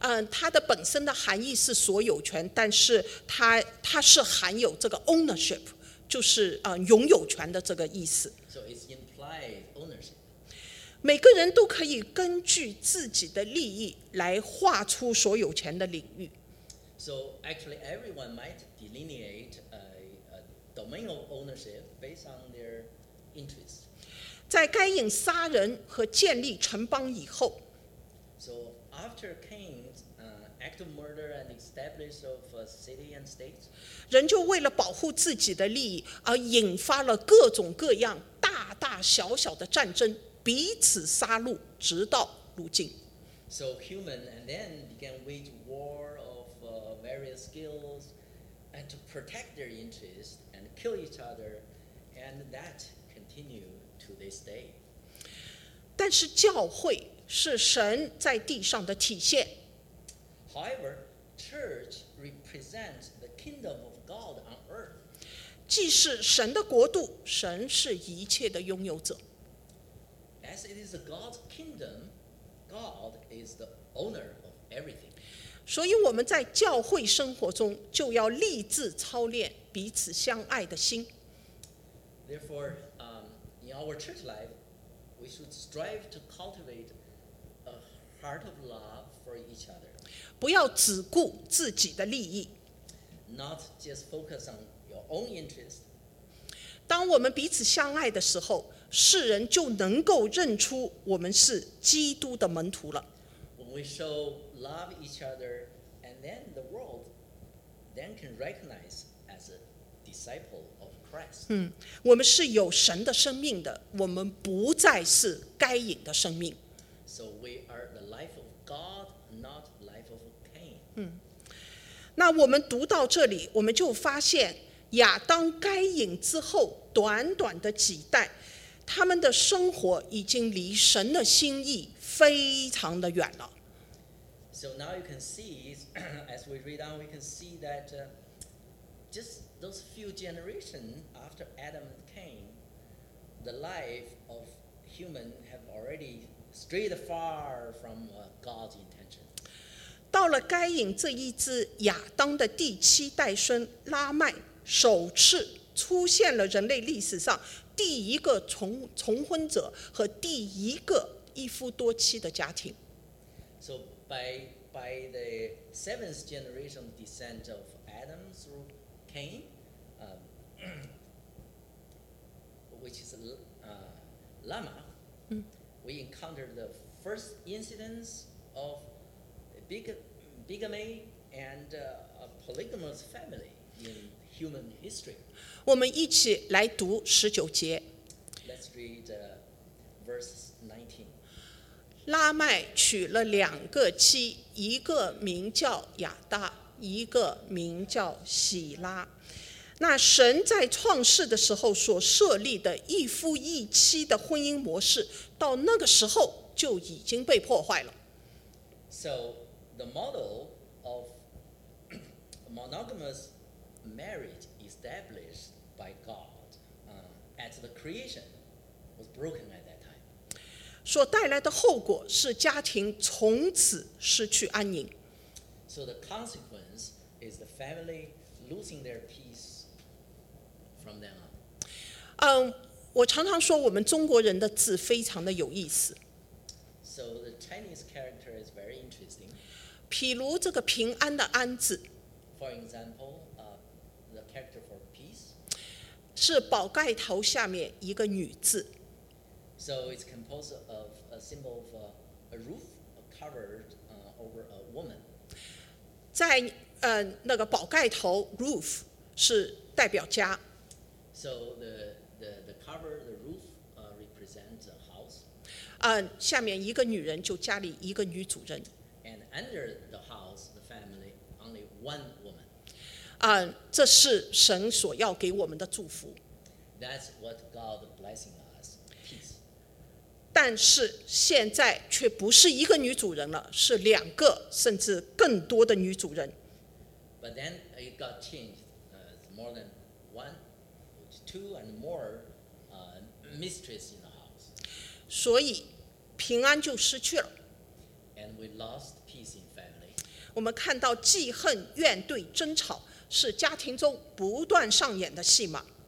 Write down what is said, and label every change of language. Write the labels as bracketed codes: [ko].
[zh] 它的本身的含义是所有权，但是 它是含有这个 ownership， 就是拥有权的这个意思。 [en] So it's implied ownership. [zh] 每个人都可以根据自己的利益来划出所有权的领域。 [en] So actually everyone might delineate a domain of ownership based on their interests. [zh] 在该隐杀人和建立城邦以后， [en] So after Cain's act of murder and establishment of a city and state, [zh] 人就为了保护自己的利益而引发了各种各样大大小小的战争，彼此杀戮，直到如今。 [en] So human and then began wage war of various skills and to protect their interests and kill each other, and that continued to this day. [zh] 但是教会是神在地上的体现。 [en] However, church represents the kingdom of God on earth. [zh] 既是神的国度，神是一切的拥有者。 [en] As it is God's kingdom, God is the owner of everything. [zh] 所以我们在教会生活中就要立志操练彼此相爱的心。 [en] Therefore, in our church life, we should strive to cultivate heart of love for each other. [zh] 不要只顾自己的利益。 [en] Not just focus on your own interest. [zh] 当我们彼此相爱的时候，世人就能够认出我们是基督的门徒了。 [en] When we we show love each other, and then the world then can recognize as a disciple of Christ. [zh] 我们是有神的生命的，我们不再是该隐的生命。 [en] So we are the life of God, not life of Cain. [zh] 那我们读到这里，我们就发现亚当该隐之后短短的几代，他们的生活已经离神的心意非常的远了。 [en] So now you can see, as we read on, we can see that just those few generations after Adam and Cain, the life of human have already strayed far from God's intention. [zh] 到了该隐这一支亚当的第七代孙拉麦，首次出现了人类历史上第一个 重婚者和第一个一夫多妻的家庭。 [en] So by the seventh generation descent of Adam through Cain, which is Lamech, we encountered the first incidence of bigamy and a polygamous family in human history. [zh] 我们一起来读十九节。 [en] Let's read verse 19. [zh] 拉麦娶了两个妻，一个名叫亚达，一个名叫喜拉。那神在创世的时候所设立的一夫一妻的婚姻模式，到那个时候就已经被破坏了。 [en] So the model of monogamous marriage established by God at the creation was broken at that time. [zh] 所带来的后果是家庭从此失去安宁。 [en] So the consequence is the family losing their peace from them. [zh] 我常常说我们中国人的字非常的有意思。 [en] So the Chinese character is very interesting. [zh] 譬如这个平安的安字。 [en] For example, the character for peace. [zh] 是宝盖头下面一个女字。 [en] So it's composed of a symbol of a roof covered over a woman. [zh] 在那个宝盖头 roof 是代表家。 [en] So the cover, the roof represents a house. [zh] 下面一个女人就家里一个女主人。 [en] And under the house, the family, only one woman. [zh] 这是神所要给我们的祝福。 [en] That's what God blessing us. [zh] 但是现在却不是一个女主人了，是两个甚至更多的女主人。 [en] But then it got changed, more than one, two and more, mistress in the house. [zh] 所以平安就失去了。 [en] And we lost peace in family. [zh] 我们看到记恨、怨怼、争吵是家庭中不断上演的戏码。